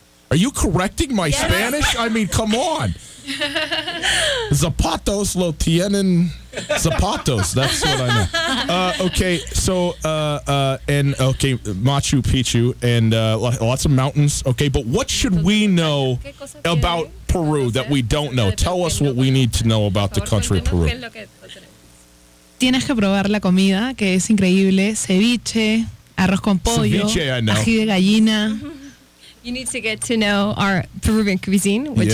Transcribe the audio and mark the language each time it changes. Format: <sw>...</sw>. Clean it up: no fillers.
<en>Are you correcting my Spanish? I mean, come on.</en> <es>Zapatos lo tienen zapatos.</es> <en>That's what I know. Okay, Machu Picchu and lots of mountains. Okay, but what should we know about Peru that we don't know? Tell us what we need to know about the country of Peru.</en> <es>Tienes que probar la comida, que es increíble. Ceviche, arroz con pollo, ají de gallina.</es> <en>You need to get to know our Peruvian cuisine, which</en>